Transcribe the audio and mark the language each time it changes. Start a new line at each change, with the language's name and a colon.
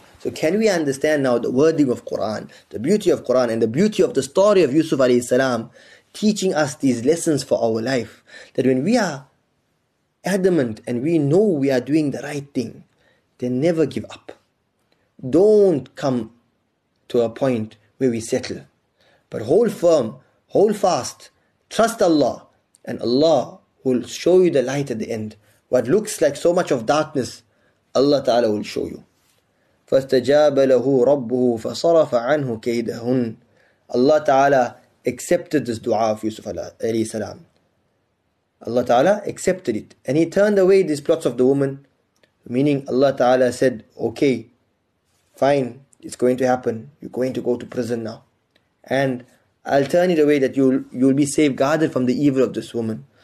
English: So can we understand now the wording of Quran, the beauty of Quran, and the beauty of the story of Yusuf alayhi salam, teaching us these lessons for our life, that when we are adamant and we know we are doing the right thing, then never give up. Don't come to a point where we settle, but hold firm, hold fast, trust Allah, and Allah will show you the light at the end. What looks like so much of darkness, Allah Ta'ala will show you.
Arabic: فَاسْتَجَابَ لَهُ رَبُّهُ فَصَرَفَ عَنْهُ كَيْدَهُنْ.
English: Allah Ta'ala accepted this dua of Yusuf alayhi salam. Allah Ta'ala accepted it, and he turned away these plots of the woman, meaning Allah Ta'ala said, okay, fine, it's going to happen, you're going to go to prison now, and I'll turn it away that you'll be safeguarded from the evil of this woman.